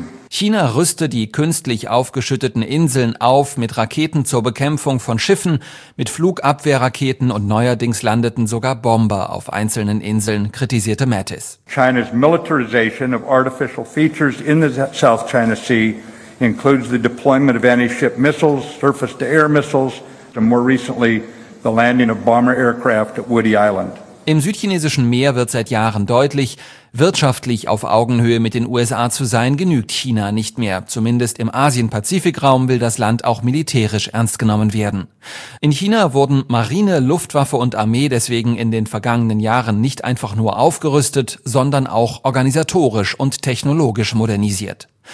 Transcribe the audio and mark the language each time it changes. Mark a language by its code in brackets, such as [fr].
[de] China rüste die künstlich aufgeschütteten Inseln auf mit Raketen zur Bekämpfung von Schiffen, mit Flugabwehrraketen und neuerdings landeten sogar Bomber auf einzelnen Inseln, kritisierte Mattis. [en] China's militarization of artificial features in the South China Sea includes the deployment of anti-ship missiles, surface-to-air missiles, and more recently the landing of bomber aircraft at Woody Island. [de] Im südchinesischen Meer wird seit Jahren deutlich, wirtschaftlich auf Augenhöhe mit den USA zu sein, genügt China nicht mehr. Zumindest im Asien-Pazifik-Raum will das Land auch militärisch ernst genommen werden. In China wurden Marine, Luftwaffe und Armee deswegen in den vergangenen Jahren nicht einfach nur aufgerüstet, sondern auch organisatorisch und technologisch modernisiert.